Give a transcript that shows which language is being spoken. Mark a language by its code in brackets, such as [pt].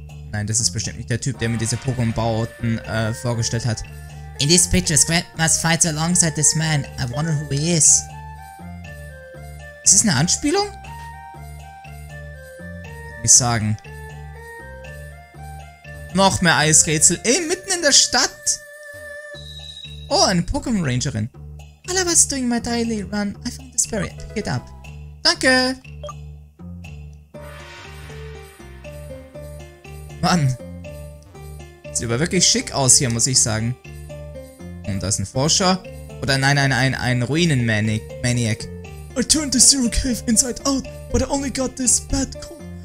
[de] Nein, das ist bestimmt nicht der Typ, der mir diese Pokémon-Bauten vorgestellt hat. [en] In these pictures, Grandmas fights alongside this man. I wonder who he is. [de] Ist das eine Anspielung? Ich sagen. Noch mehr Eisrätsel. Ey, mitten in der Stadt. Oh, eine Pokémon-Rangerin. [en] While I was doing my daily run, I found this berry. Pick it up. [de] Danke. Mann. Sieht aber wirklich schick aus hier, muss ich sagen. Und da ist ein Forscher. Oder nein, ein Ruinen-Maniac. [en] I turned the Zero Cave inside out, but I only got this bad call.